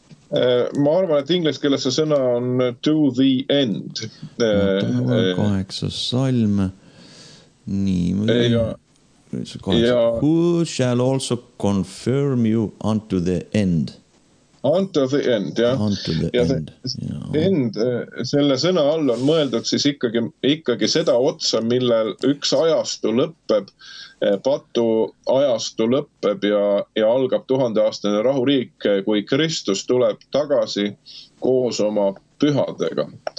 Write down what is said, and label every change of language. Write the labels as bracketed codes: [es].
[et] Ma arvan, et inglise keeles see sõna on [en] to the end. [et] 8. salm. [en] Nii, who shall also confirm you unto the end? Unto the end, jah. Unto the [et] ja [en] end. [et] End, selle sõna all on mõeldud siis ikkagi seda otsa, millel üks ajastu lõpeb, patu ajastu lõpeb ja algab 1000-aastane rahuriik, kui Kristus tuleb tagasi koos oma pühadega.